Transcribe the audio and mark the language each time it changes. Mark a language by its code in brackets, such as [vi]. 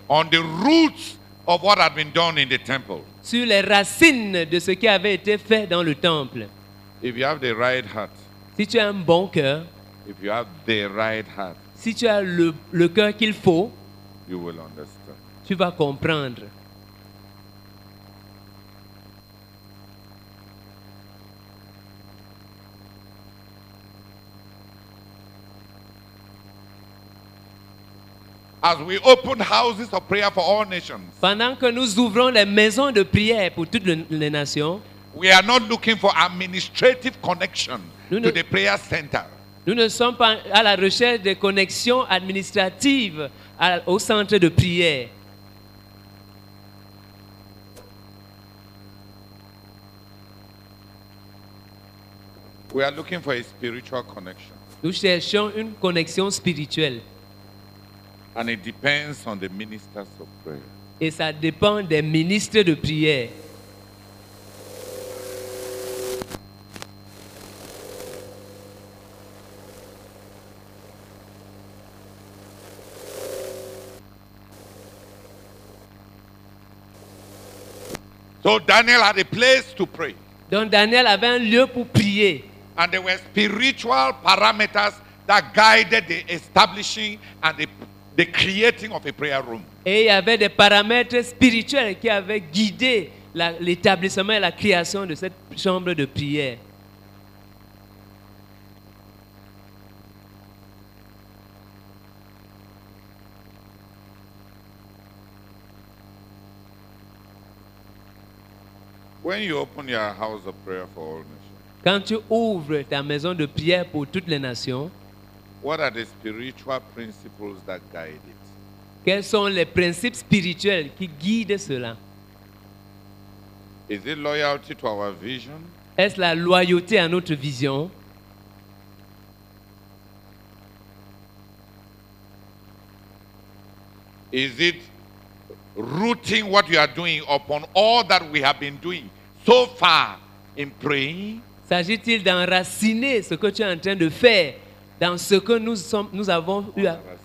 [en] On the roots of what had been done in the temple. [fr] Sur les racines de ce qui avait été fait dans le temple. [en] If you have the right heart. [fr] Si tu as un bon cœur. [en] If you have the right heart. [fr] Si tu as le cœur qu'il faut. [en] You will understand. [fr] Tu vas comprendre. [en] As we open houses of prayer for all nations, [fr] pendant que nous ouvrons les maisons de prière pour toutes les nations, [en] we are not looking for administrative connection to the prayer center. [fr] Nous ne sommes pas à la recherche de connexions administratives au centre de prière. [en] We are looking for a spiritual connection. [fr] Nous cherchons une connexion spirituelle. [en] And it depends on the ministers of prayer. [fr] Et ça dépend des ministres de prière. [en] So Daniel had a place to pray. [fr] Donc Daniel avait un lieu pour prier. [en] And there were spiritual parameters that guided the establishing and the creating of a prayer room. [fr] Et il y avait des paramètres spirituels qui avaient guidé l'établissement et la création de cette chambre de prière. [en] When you open your house of prayer for all nations, [fr] quand tu ouvres ta maison de prière pour toutes les nations, [en] what are the spiritual principles that guide it? [fr] Quels sont les principes spirituels qui guident cela? [en] Is it loyalty to our vision? [fr] Est-ce la loyauté à notre vision? [en] Is it rooting what you are doing upon all that we have been doing so far in praying? [fr] S'agit-il d'enraciner ce que tu es en train de faire dans ce que nous avons eu à...